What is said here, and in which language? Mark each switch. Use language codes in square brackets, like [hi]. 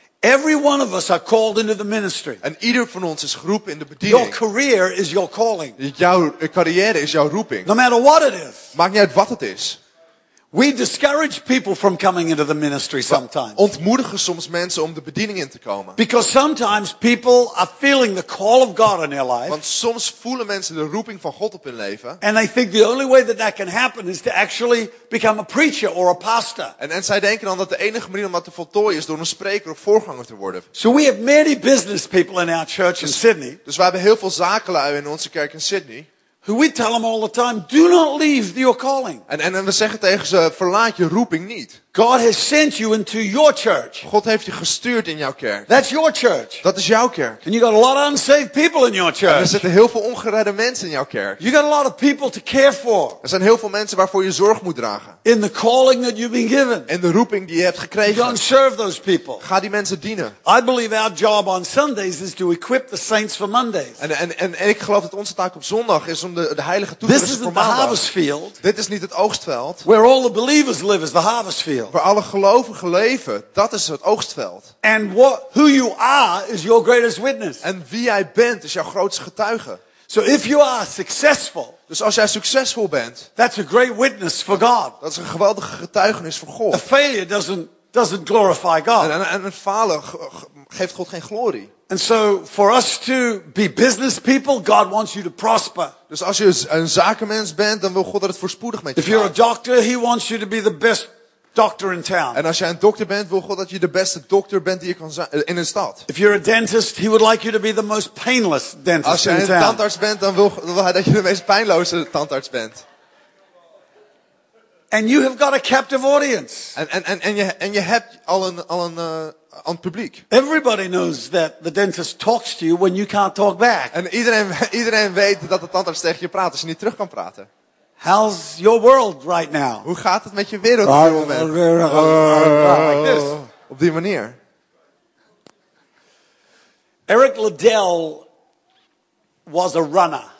[en] Every one of us are called into the ministry. [nl] En ieder van ons is geroepen in de bediening. [en] Your career is your calling. [nl] Jouw carrière is jouw roeping. [en] No matter what it is. [nl] Maakt niet uit wat het is. [en] We discourage people from coming into the ministry sometimes. [nl] We ontmoedigen soms mensen om de bediening in te komen. [en] Because sometimes people are feeling the call of God in their life. [nl] Want soms voelen mensen de roeping van God op hun leven. [en] And they think the only way that can happen is to actually become a preacher or a pastor. [nl] En zij denken dan dat de enige manier om dat te voltooien is door een spreker of voorganger te worden. [en] So we have many business people in our church in Sydney. [nl] Dus wij hebben heel veel zakenlui in onze kerk in Sydney. [en] Who we tell them all the time, do not leave your calling. [nl] En we zeggen tegen ze, verlaat je roeping niet. [en] God has sent you into your church. [nl] God heeft je gestuurd in jouw kerk. [en] That's your church. [nl] Dat is jouw kerk. [en] And you got a lot of unsaved people in your church. [nl] En er zitten heel veel ongeredde mensen in jouw kerk. [en] You got a lot of people to care for. [nl] Er zijn heel veel mensen waarvoor je zorg moet dragen. [en] In the calling that you've been given. [nl] En de roeping die je hebt gekregen. [en] Go and serve those people. [nl] Ga die mensen dienen. [en] I believe our job on Sundays is to equip the saints for Mondays. [nl] En ik geloof dat onze taak op zondag is om de heilige toe te rusten voor maandag. [en] This is the harvest field. [nl] Dit is niet het oogstveld. [en] Where all the believers live is the harvest field. [nl] Waar alle gelovigen leven, dat is het oogstveld. [en] And what, who you are is your greatest witness. [nl] En wie jij bent is jouw grootste getuige. [en] So if you are successful, [nl] dus als jij succesvol bent, [en] that's a great witness for God. [nl] Dat is een geweldige getuigenis voor God. [en] A failure doesn't doesn't glorify God. [nl] En falen geeft God geen glorie. [en] And so for us to be business people, God wants you to prosper. [nl] Dus als je een zakenmens bent, dan wil God dat het voorspoedig met je gaat. [en] If you're a doctor, he wants you to be the best doctor in town. [nl] En als jij een dokter bent, wil God dat je de beste dokter bent die je kan zijn in een stad. [en] If you're a dentist, he would like you to be the most painless dentist. [nl] Als jij een tandarts bent, dan wil hij dat je de meest pijnloze tandarts bent. [en] And you have got a captive audience. [nl] En je hebt al een publiek. [en] Everybody knows that the dentist talks to you when you can't talk back. [nl] En iedereen weet dat de tandarts tegen je praat als je niet terug kan praten. [en] How's your world right now? [nl] Hoe gaat het met je wereld op dit moment? [en] Like this. [nl] Op die manier. [en] Eric Liddell was a runner.